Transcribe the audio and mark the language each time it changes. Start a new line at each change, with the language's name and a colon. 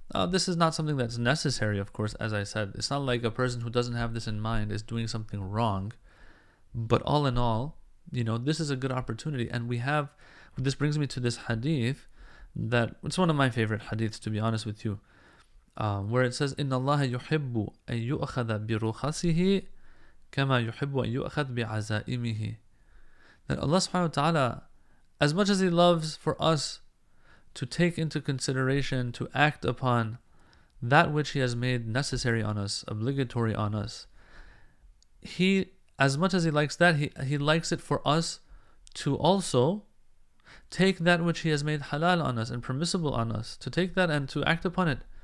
English: This is not something that's necessary, of course, as I said. It's not like a person who doesn't have this in mind is doing something wrong. But all in all, you know, this is a good opportunity. And we have, this brings me to this hadith that, it's one of my favorite hadiths, to be honest with you. Where it says,
Arabic: إِنَّ اللَّهَ يُحِبُّ أَن يُؤَخَذَ بِرُخَصِهِ كَمَا يُحِبُّ أَن يُؤَخَذَ بِعَزَائِمِهِ.
English: That Allah subhanahu wa ta'ala, as much as He loves for us to take into consideration, to act upon that which He has made necessary on us, obligatory on us, He, as much as He likes that, He likes it for us to also take that which He has made halal on us and permissible on us, to take that and to act upon it.